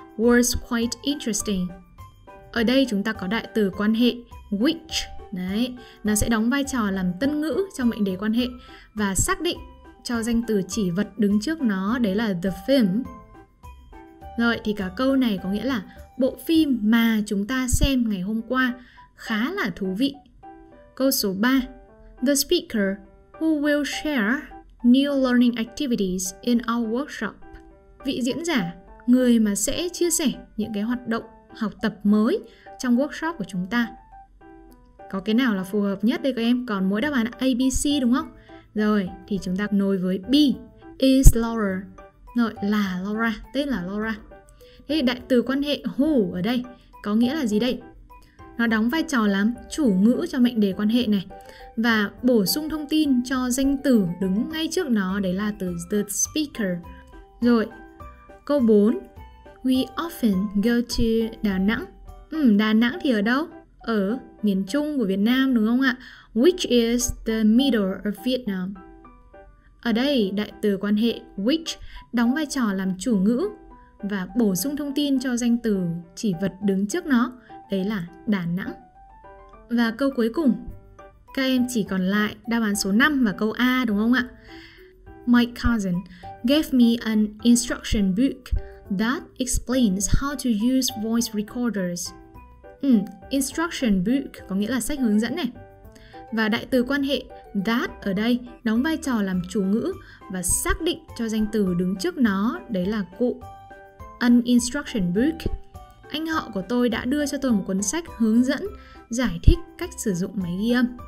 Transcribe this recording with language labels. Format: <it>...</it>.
<en>Was quite interesting.</en> <vi>Ở đây chúng ta có đại từ quan hệ which, đấy, nó sẽ đóng vai trò làm tân ngữ trong mệnh đề quan hệ và xác định cho danh từ chỉ vật đứng trước nó, đấy là the film. Rồi, thì cả câu này có nghĩa là bộ phim mà chúng ta xem ngày hôm qua khá là thú vị. Câu số 3,</vi> <en>the speaker who will share new learning activities in our workshop.</en> <vi>Vị diễn giả, người mà sẽ chia sẻ những cái hoạt động học tập mới trong workshop của chúng ta. Có cái nào là phù hợp nhất đây các em? Còn mỗi đáp án A, B, C đúng không? Rồi, thì chúng ta nối với B. Is Laura. Rồi, là Laura, tên là Laura. Thế đại từ quan hệ who ở đây có nghĩa là gì đây? Nó đóng vai trò làm chủ ngữ cho mệnh đề quan hệ này. Và bổ sung thông tin cho danh từ đứng ngay trước nó, đấy là từ the speaker. Rồi, câu 4.</vi> <en>We often go to Đà Nẵng.</en> <vi>Đà Nẵng thì ở đâu? Ở miền Trung của Việt Nam đúng không ạ?</vi> <en>Which is the middle of Vietnam?</en> <vi>Ở đây, đại từ quan hệ which đóng vai trò làm chủ ngữ và bổ sung thông tin cho danh từ chỉ vật đứng trước nó, đấy là Đà Nẵng. Và câu cuối cùng, các em chỉ còn lại đáp án số 5 và câu A đúng không ạ?</vi> <en>My cousin gave me an instruction book that explains how to use voice recorders.</en> <vi>Instruction book có nghĩa là sách hướng dẫn này. Và đại từ quan hệ that ở đây đóng vai trò làm chủ ngữ và xác định cho danh từ đứng trước nó, đấy là cụ.</vi> <en>An instruction book.</en> <vi>Anh họ của tôi đã đưa cho tôi một cuốn sách hướng dẫn giải thích cách sử dụng máy ghi âm.</vi>